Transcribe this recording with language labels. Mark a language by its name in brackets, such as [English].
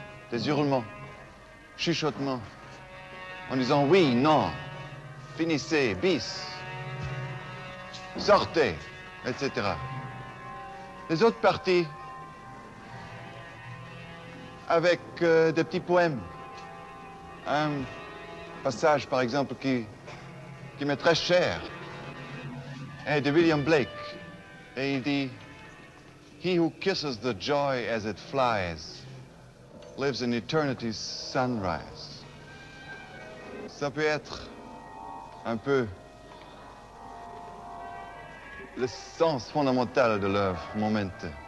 [French] Des hurlements, chuchotements, en disant oui, non, finissez, bis, sortez, etc. Les autres parties avec des petits poèmes. Un passage, par exemple, qui m'est très cher, est de William Blake. Et il dit, [English] he who kisses the joy as it flies lives in eternity's sunrise. [French] Ça peut être un peu le sens fondamental de l'œuvre, Momente.